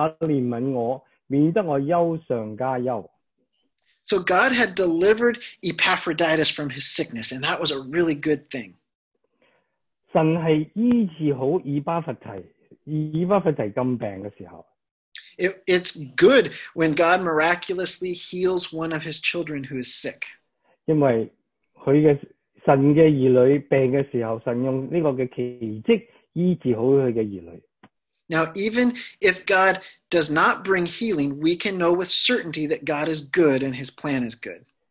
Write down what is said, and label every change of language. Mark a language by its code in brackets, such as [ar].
[zh] 他实在病了，几乎要死，然而神怜悯他，不但怜悯他，也怜悯我，免得我忧上加忧。 [en] So God had delivered Epaphroditus from his sickness, and that was a really good thing. [zh] 神是医治好以巴弗提，以巴弗提这么病的时候。 [en] It's good when God miraculously heals one of his children who is sick. [zh] 因为神的儿女病的时候，神用这个奇迹医治好他的儿女。 [en] Now, even if God does not bring healing, we can know with certainty that God is good and his plan is good.